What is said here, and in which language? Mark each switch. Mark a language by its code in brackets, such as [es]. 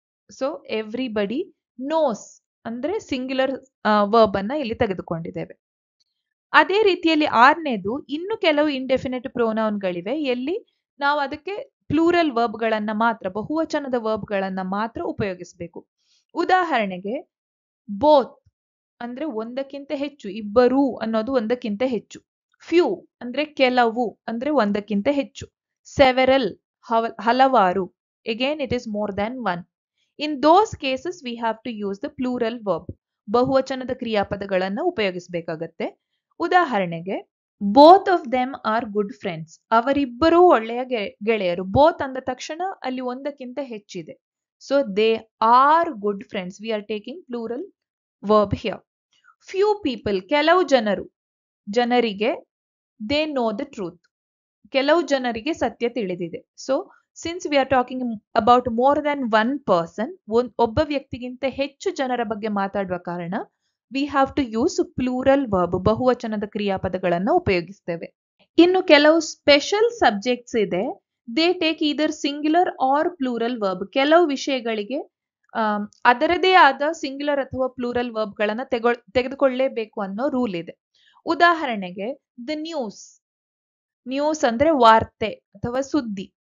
[en] So everybody knows [kn] andre singular verb anna illi tagedukondideve. Ade reetiyalli aarnedu innu kelavu indefinite pronoun galive yelli naavu adakke plural ವರ್ಬ್ಗಳನ್ನು ಮಾತ್ರ ಬಹುವಚನದ ವರ್ಬ್ಗಳನ್ನು ಮಾತ್ರ ಉಪಯೋಗಿಸಬೇಕು. ಉದಾಹರಣೆಗೆ both ಅಂದರೆ ಒಂದಕ್ಕಿಂತ ಹೆಚ್ಚು, ಇಬ್ಬರು ಅನ್ನೋದು ಒಂದಕ್ಕಿಂತ ಹೆಚ್ಚು, ಫ್ಯೂ ಅಂದರೆ ಕೆಲವು ಅಂದರೆ ಒಂದಕ್ಕಿಂತ ಹೆಚ್ಚು, ಸೆವೆರಲ್ ಹಲವಾರು, [en] Again it is more than one. In those cases we have to use the plural verb, [kn] ಬಹುವಚನದ ಕ್ರಿಯಾಪದಗಳನ್ನು ಉಪಯೋಗಿಸಬೇಕಾಗತ್ತೆ. ಉದಾಹರಣೆಗೆ [en] Both of them are good friends. [kn] ಅವರಿಬ್ಬರೂ ಒಳ್ಳೆಯ ಗೆಳೆಯರು. Both ಅಂದ ತಕ್ಷಣ ಅಲ್ಲಿ ಒಂದಕ್ಕಿಂತ ಹೆಚ್ಚಿದೆ. [en] So they are good friends. We are taking plural verb here. Few people, [kn] ಕೆಲವು ಜನರು, ಜನರಿಗೆ, [en] they know the truth. [kn] ಕೆಲವು ಜನರಿಗೆ ಸತ್ಯ ತಿಳಿದಿದೆ. [en] So since we are talking about more than one person, [kn] ಒಬ್ಬ ವ್ಯಕ್ತಿಗಿಂತ ಹೆಚ್ಚು ಜನರ ಬಗ್ಗೆ ಮಾತಾಡುವ ಕಾರಣ [en] we have to use plural verb, [kn] ಬಹುವಚನದ ಕ್ರಿಯಾಪದಗಳನ್ನು ಉಪಯೋಗಿಸ್ತೇವೆ. ಇನ್ನು ಕೆಲವು ಸ್ಪೆಷಲ್ ಸಬ್ಜೆಕ್ಟ್ಸ್ ಇದೆ, [en] They take either singular or plural verb. [kn] ಕೆಲವು ವಿಷಯಗಳಿಗೆ ಅದರದೇ ಆದ ಸಿಂಗ್ಯುಲರ್ ಅಥವಾ ಪ್ಲೂರಲ್ ವರ್ಬ್ಗಳನ್ನು ತೆಗೆದುಕೊಳ್ಳಲೇಬೇಕು ಅನ್ನೋ ರೂಲ್ ಇದೆ. ಉದಾಹರಣೆಗೆ ದ ನ್ಯೂಸ್, ನ್ಯೂಸ್ ಅಂದ್ರೆ ವಾರ್ತೆ ಅಥವಾ ಸುದ್ದಿ.